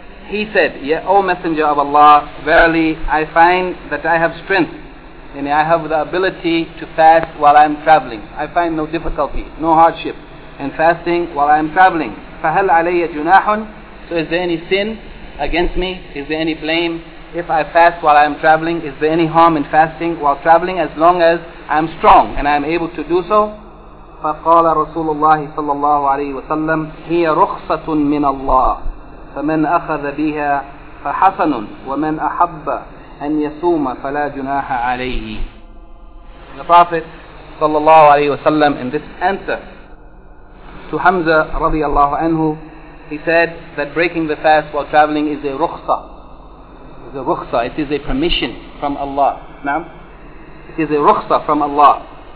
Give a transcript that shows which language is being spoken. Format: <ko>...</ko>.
<en>he said, O Messenger of Allah, verily I find that I have strength, and I have the ability to fast while I am traveling. I find no difficulty, no hardship in fasting while I am traveling.</en> <ar>فهل علي جناح؟</ar> <en>So is there any sin against me? Is there any blame if I fast while I am traveling? Is there any harm in fasting while traveling, as long as I am strong and I am able to do so?</en> <ar>فقال رسول الله صلى الله عليه وسلم هي رخصة من الله فمن أخذ بها فحسن ومن أحب أن يصوم فلا جناح عليه.</ar> <en>The Prophet صلى الله عليه وسلم, in this answer to Hamza رضي الله عنه, he said that breaking the fast while traveling is a rukhsa. It's a rukhsa, it is a permission from Allah. Naam? It is a rukhsa from Allah.</en>